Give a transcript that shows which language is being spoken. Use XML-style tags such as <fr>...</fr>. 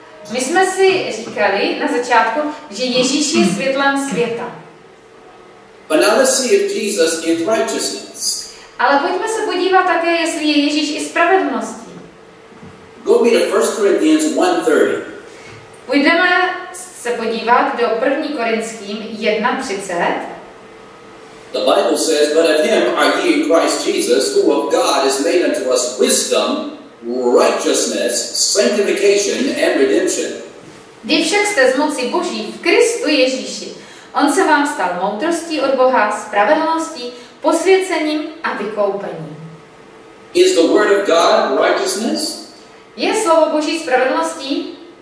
<cs>My jsme si říkali na začátku, že Ježíš je světlem světa.</cs> <en>But now let's see if Jesus is righteousness.</en> <cs>Ale pojďme se podívat také, jestli je Ježíš i spravedlností.</cs> <en>Go read 1 Corinthians 1:30.</en> <cs>Půjdeme se podívat do 1. Korinským 1:30.</cs> <en>The Bible says, but of him are ye in Christ Jesus, who of God is made unto us wisdom, righteousness, sanctification and redemption.</en> <cs>Vy však jste z moci Boží v Kristu Ježíši. On se vám stal moudrostí od Boha, spravedlností, posvěcením a vykoupením.</cs> <en>Is the word of God righteousness?</en> <cs>Je slovo Boží spravedlností?</cs>